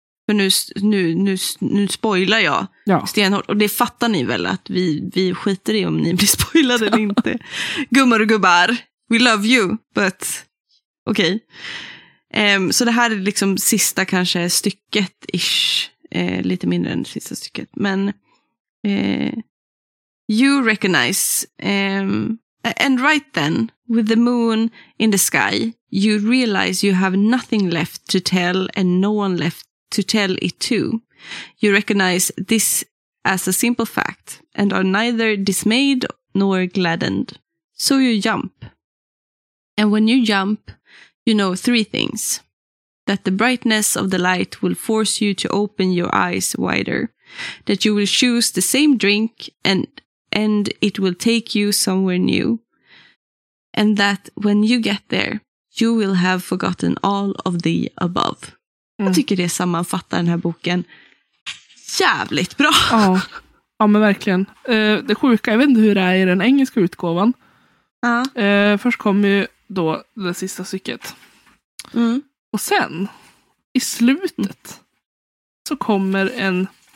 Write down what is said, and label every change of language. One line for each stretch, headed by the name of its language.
Swedish: För nu spoilar jag stenhårt. Och det fattar ni väl att vi skiter i om ni blir spoilade eller inte. Gummar och gubbar,
English: we love you, but okej. Okay.
Swedish: Så det här är liksom sista kanske stycket-ish. Lite mindre än sista stycket. Men
English: you recognize, and right then, with the moon in the sky, you realize you have nothing left to tell and no one left to tell it to. You recognize this as a simple fact and are neither dismayed nor gladdened. So you jump. And when you jump, you know three things. That the brightness of the light will force you to open your eyes wider. That you will choose the same drink and it will take you somewhere new. And that when you get there, you will have forgotten all of the above. Mm.
Swedish: Jag tycker det sammanfattar den här boken jävligt bra. Ja, ja men verkligen. Det sjuka, jag vet inte hur det är i den engelska utgåvan. Ja. Först kommer ju då det sista stycket. Mm. Och sen, i slutet, så kommer en...